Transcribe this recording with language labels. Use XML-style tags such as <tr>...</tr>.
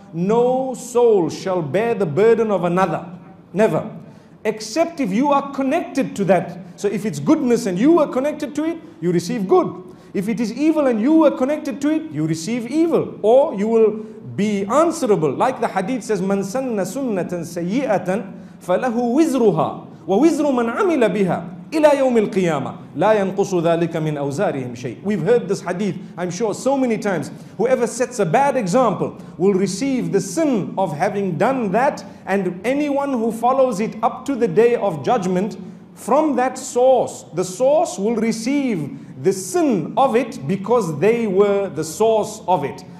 <en>No soul shall bear the burden of another. Never. Except if you are connected to that. So if it's goodness and you are connected to it, you receive good. If it is evil and you are connected to it, you receive evil. Or you will be answerable. Like the hadith says,</en> <ar>مَنْ سَنَّ سُنَّةً سَيِّئَةً فَلَهُ وِزْرُهَا وَوِزْرُ مَنْ عَمِلَ بِهَا إِلَى يَوْمِ الْقِيَامَةِ لَا يَنْقُصُ ذَلِكَ مِنْ أَوْزَارِهِمْ شَيْءٍ.</ar> <en>We've heard this hadith, I'm sure, so many times. Whoever sets a bad example will receive the sin of having done that, and anyone who follows it up to the day of judgment, from that source, the source will receive the sin of it because they were the source of it.</en>